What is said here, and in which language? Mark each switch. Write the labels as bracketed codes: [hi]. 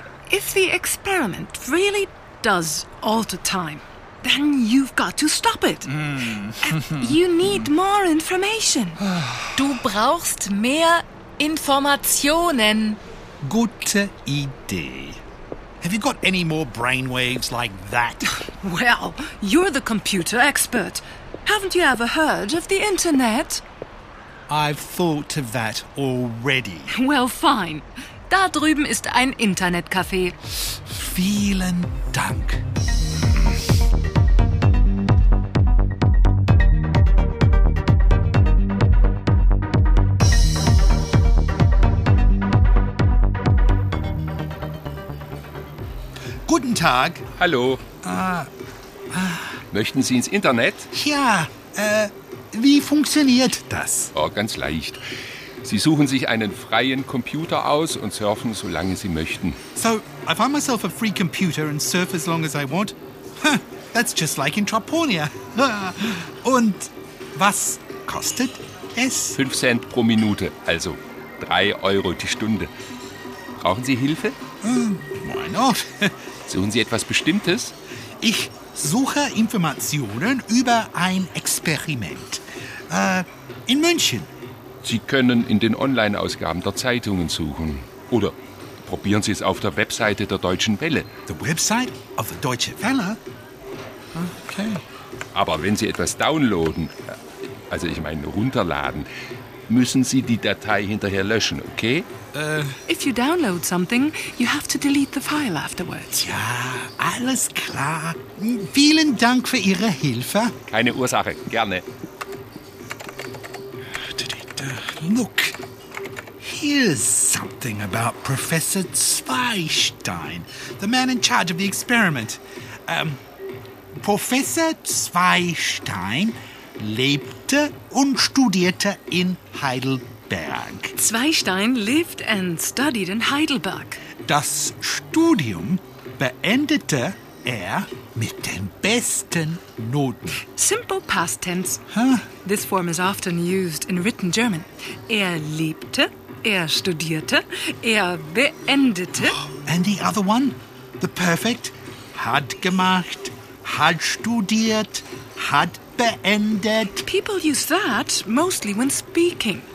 [en] If the experiment really does alter time, then you've got to stop it. You need more information. [de] Du brauchst mehr Informationen. Gute Idee. [en] Have you got any more brainwaves like that? Well, you're the computer expert. Haven't you ever heard of the internet? I've thought of that already. Well, fine. [de] Da drüben ist ein Internetcafé. Vielen Dank. Guten Tag. Hallo. Möchten Sie ins Internet? Ja, wie funktioniert das? Oh, ganz leicht. Sie suchen sich einen freien Computer aus und surfen, solange Sie möchten. [en] So, I find myself a free computer and surf as long as I want? Huh, that's just like in Traponia. [de] Und was kostet es? 5 Cent pro Minute, also 3 Euro die Stunde. Brauchen Sie Hilfe? [en] Why not? [de] Suchen Sie etwas Bestimmtes? Ich suche Informationen über ein Experiment. In München. Sie können in den Online-Ausgaben der Zeitungen suchen. Oder probieren Sie es auf der Webseite der Deutschen Welle. [en] The website of the Deutsche Welle? Okay. [de] Aber wenn Sie etwas downloaden, also ich meine runterladen, müssen Sie die Datei hinterher löschen, okay? [en] If you download something, you have to delete the file afterwards. [de] Ja, alles klar. Vielen Dank für Ihre Hilfe. Keine Ursache, gerne. [en] Look, here's something about Professor Zweistein, the man in charge of the experiment. [de] Professor Zweistein lebte und studierte in Heidelberg. [en] Zweistein lived and studied in Heidelberg. [de] Das Studium beendete er mit den besten Noten. [en] Simple past tense. Huh? This form is often used in written German. [de] Er lebte, er studierte, er beendete. [en] Oh, and the other one? The perfect? [de] Hat gemacht, hat studiert, hat beendet. [en] People use that mostly when speaking.